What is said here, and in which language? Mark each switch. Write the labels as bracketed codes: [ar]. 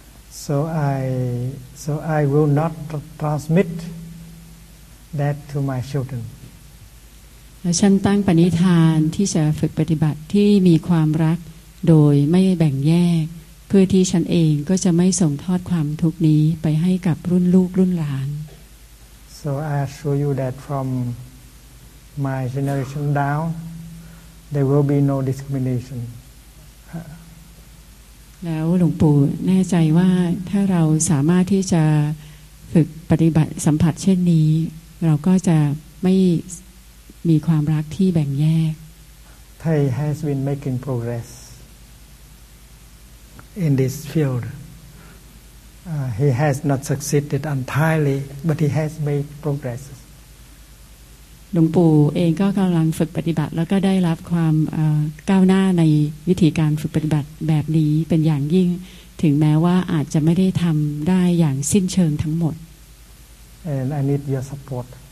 [en] So I will not transmit that to my children. [th] ฉันตั้งปณิธานที่จะฝึกปฏิบัติที่มีความรักโดยไม่แบ่งแยกเพื่อที่ฉันเองก็จะไม่ส่งทอดความทุกข์นี้ไปให้กับรุ่นลูกรุ่นหลาน [en] So I assure you that from my generation down there will be no discrimination [th] แล้วหลวงปู่แน่ใจว่าถ้าเราสามารถที่จะฝึกปฏิบัติสัมผัสเช่นนี้เราก็จะไม่มีความรักที่แบ่งแยก [en] Thai has been making progressin this field. He has not succeeded entirely, but he has made progress. [th] หลวงปู่เองก็กำลังฝึกปฏิบัติแล้วก็ได้รับความก้าวหน้าในวิธีการฝึกปฏิบัติแบบนี้เป็นอย่างยิ่งถึงแม้ว่าอาจจะไม่ได้ทำได้อย่างสิ้นเชิงทั้งหมด [en] And I need your support.